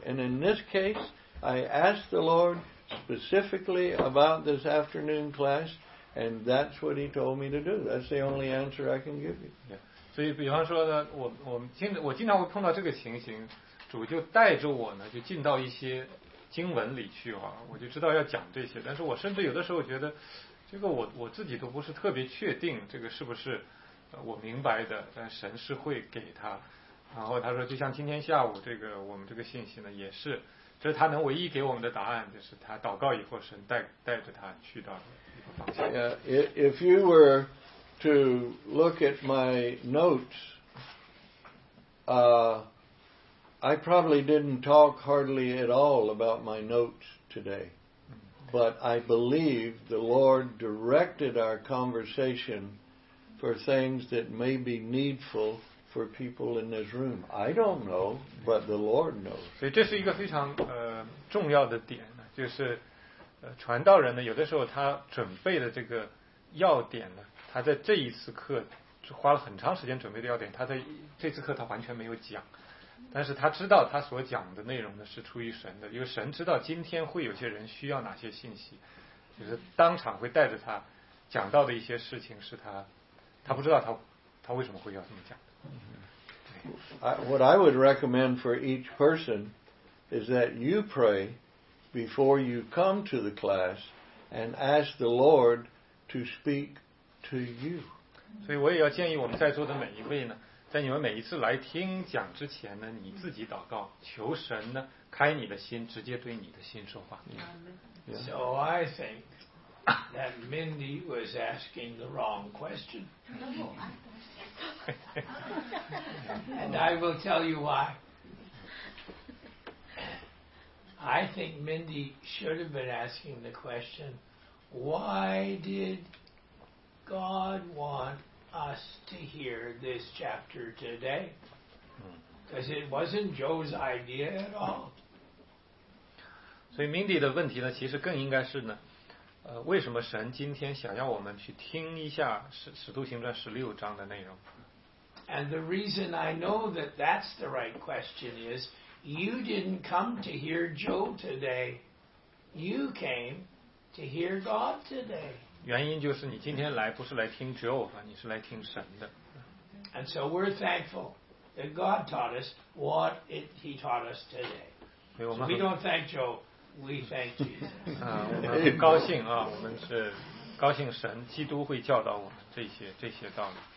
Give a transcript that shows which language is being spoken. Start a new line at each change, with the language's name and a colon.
English: And in this case, I asked the Lord specifically about this afternoon class, and that's what He told me to do. That's the only answer I can give you. Yeah.
Chinese: 所以比方说呢，我经常会碰到这个情形，主就带着我呢，就进到一些经文里去啊，我就知道要讲这些，但是我甚至有的时候觉得这个我自己都不是特别确定这个是不是我明白的，但神是会给他。然后他说，就像今天下午这个我们这个信息呢，也是，这是他能唯一给我们的答案，就是他祷告以后，神带着他去到一个方向。
English: If you were to look at my notes, I probably didn't talk hardly at all about my notes today. But I believe the Lord directed our conversation for things that may be needful for people in this room. I don't know, but the Lord knows.
Chinese: 所以这是一个非常重要的点，就是传道人呢，有的时候他准备的这个要点呢，他在这一次课花了很长时间准备的要点，他在这次课他完全没有讲。但是他知道他所讲的内容呢是出于神的，因为神知道今天会有些人需要哪些信息，就是当场会带着他讲到的一些事情是他不知道他为什么会要这么讲的。
English: What I would recommend for each person is that you pray before you come to the class and ask the Lord to speak to you.
Chinese: 所以我也要建议我们在座的每一位呢，在你们每一次来听讲之前呢，你自己祷告，求神呢开你的心，直接对你的心说话。
English: So I think that Mindy was asking the wrong question. And I will tell you why. I think Mindy should have been asking the question, why did God want us to hear this chapter today, because it wasn't Joe's idea at all.
Chinese: So Mindy 的问题呢，其实更应该是呢，为什么神今天想要我们去听一下《使徒行传》十六章的内容？
English: And the reason I know that that's the right question is, you didn't come to hear Joe today, you came to hear God today.
Chinese: 原因就是你今天来不是来听 Joe， 你是来听神的。
English: And so we're thankful that God taught us what He taught us today. So we don't thank Joe, we thank Jesus.
Chinese: 我们很高兴啊，我们是高兴神，基督会教导我们这些道理。